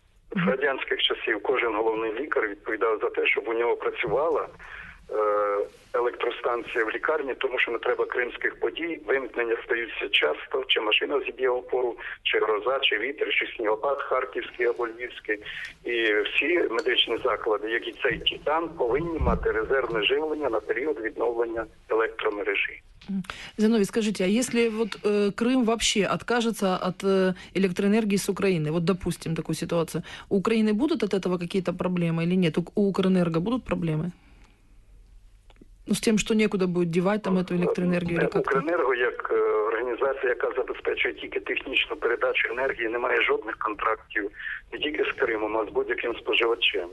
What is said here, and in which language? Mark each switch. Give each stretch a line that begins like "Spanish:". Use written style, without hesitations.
Ukrainian: В радянських часів кожен головний лікар відповідав за те, щоб у нього працювала електростанція в лікарні, тому що не треба кримських подій, вимкнення стаються часто, чи машина зіб'є опору, чи гроза, чи вітер, чи снігопад харківський або львівський. І всі медичні заклади, як і цей Титан, повинні мати резервне живлення на період відновлення електромережі.
Russian: Зиновій, скажите, а если вот Крым вообще откажется от электроэнергии с Украины, вот допустим такую ситуацию, у Украины будут от этого какие-то проблемы или нет? У Укренерго будут проблемы? Ну, с тем, что некуда будет девать там эту электроэнергию?
Ukrainian: Не, Укренерго,
Russian: как организация,
Ukrainian: яка забезпечує тільки технічну передачу енергії, не має жодних контрактів не тільки з Кримом, а з будь-яким споживачем.